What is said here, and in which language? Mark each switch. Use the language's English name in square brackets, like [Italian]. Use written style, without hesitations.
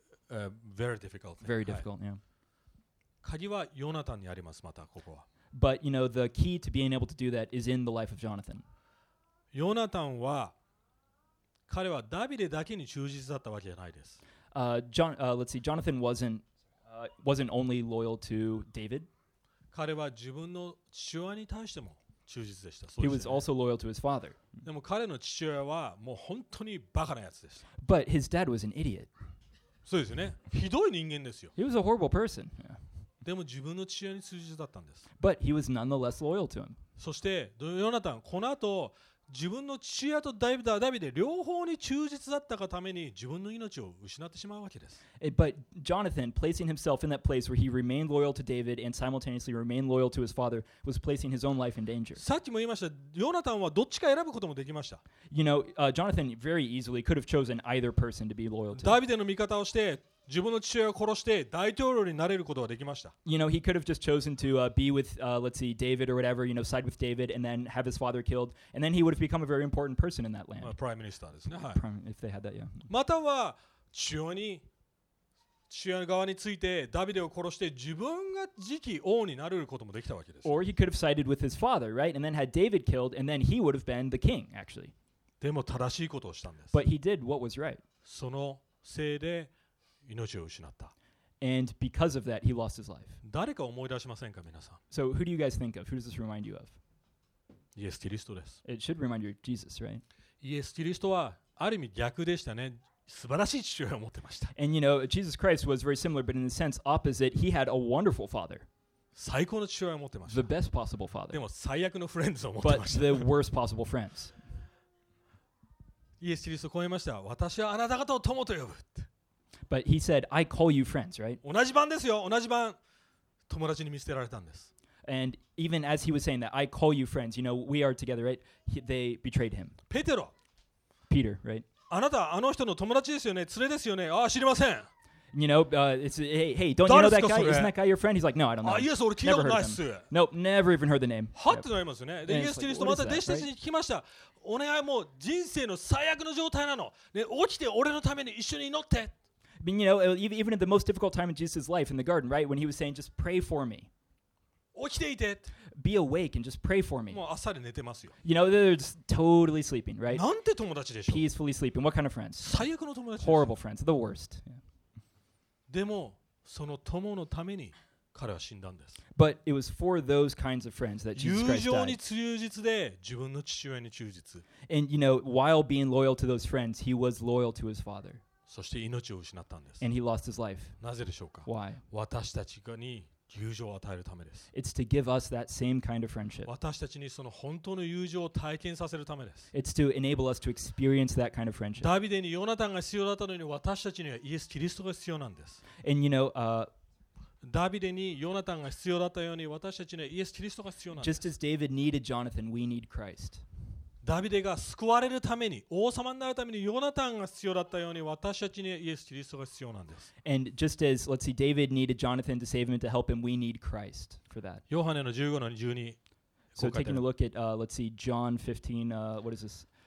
[English] very difficult. Very difficult, yeah. [Japanese] 鍵はヨナタンにあります、またここは。 [English] But you know, the key to being able to do that is in the life of Jonathan. [Japanese] ヨナタンは彼はダビデだけに忠実だったわけじゃないです。 [English] Jonathan wasn't only loyal to David. [Japanese] 彼は自分の父親に対しても忠実でした。 [English] He was also loyal to his father. [Japanese] でも彼の父親はもう本当にバカなやつです。 [English] But his dad was an idiot. [Japanese] そうですね。ひどい人間ですよ。 [English] He was a horrible person. [Japanese] でも自分の父親に忠実だったんです。 [English] But he was nonetheless loyal to him. [Japanese] そしてヨナタン、この後自分の父親とダビデ両方に忠実だったがために自分の命を失ってしまうわけです。 [English] But Jonathan, placing himself in that place where he remained loyal to David and simultaneously remained loyal to his father, was placing his own life in danger. [Japanese] さっきも言いました、ヨナタンはどっちか選ぶこともできました。 [English] You know, Jonathan very easily could have chosen either person to be loyal to. [Japanese] ダビデの味方をして自分の父親を殺して大統領になれることができました。 [English] You know, he could have just chosen to be with, let's see, David or whatever, you know, side with David and then have his father killed, and then he would have become a very important person in that land. [Japanese] Prime Minister ですね。 [English] If they had that, yeah. [Japanese] または父親側について、ダビデを殺して自分が次期王になれることもできたわけです。 [English] Or he could have sided with his father, right? And then had David killed, and then he would have been the king, actually. [Japanese] でも正しいことをしたんです。 [English] But he did what was right. [Japanese] そのせいで命を失った。 [English] And because of that, he lost his life. [Japanese] 誰か思い出しませんか、皆さん。 [English] So who do you guys think of? Who does this remind you of? [Japanese] イエス・キリストです。 [English] It should remind you of Jesus, right? [Japanese] イエス・キリストはある意味逆でしたね。素晴らしい父親を持ってました。 [English] And you know, Jesus Christ was very similar, but in a sense opposite, he had a wonderful father. [Japanese] 最高の父親を持ってました。 [English] The best possible father. [Japanese] でも最悪のフレンズを持ってました。 [English] But the worst possible friends. [Japanese] イエス・キリストこう言いました。私はあなた方を友と呼ぶ。 [English] But he said, I call you friends, right? [Japanese] 同じ番ですよ。同じ番。友達に見捨てられたんです。 [English] And even as he was saying that, I call you friends, you know, we are together, right? They betrayed him. [Japanese] ペテロ。 [English] Peter, right? [Japanese] あなた、あの人の友達ですよね。連れですよね。ああ、知りません。 [English] You know, it's, hey, don't you know that guy? Isn't that guy your friend? He's like, no, I don't know. [Japanese] あ、イエス、俺聞いたことないっす。 [English] Nope, never even heard the name. [Japanese] はってなりますよね。で、イエス・キリストまた弟子たちに聞きました。お願い、もう人生の最悪の状態なの。ね、起きて俺のために一緒に祈って。 [English] I mean, you know, even at the most difficult time in Jesus' life in the garden, right? When he was saying, just pray for me. [Japanese] 起きていて。 [English] Be awake and just pray for me. [Japanese] もう朝で寝てますよ。 [English] You know, they're just totally sleeping, right? [Japanese] なんて友達でしょ? [English] Peacefully sleeping. What kind of friends? [Japanese] 最悪の友達で [English] しょ?Horrible friends. The worst. [Japanese] でも、その友のために彼は死んだんです。 [English] But it was for those kinds of friends that Jesus Christ died. [Japanese] 友情に忠実で、自分の父親に忠実。 [English] And, you know, while being loyal to those friends, he was loyal to his father. [Japanese] そして命を失ったんです。 [English] And he lost his life. [Japanese] なぜでしょうか? [English] Why? [Japanese] 私たちに友情を与えるためです。 [English] It's to give us that same kind of friendship. [Japanese] 私たちにその本当の友情を体験させるためです。 [English] It's to enable us to experience that kind of friendship. [Japanese] ダビデにヨナタンが必要だったのに私たちにはイエス・キリストが必要なんです。 [English] And you know, [Japanese] ダビデにヨナタンが必要だったように私たちにはイエス・キリストが必要なんです。 [English] Just as David needed Jonathan, we need Christ. [Japanese] ダビデが救われるために、王様になるためにヨナタンが必要だったように、私たちにイエス・キリストが必要なんです。 [English] And just as, let's see, David needed Jonathan to save him and to help him, we need Christ for that. [Japanese] ヨハネの15の12。 [English] So taking a look at, let's see, John 15, what is this?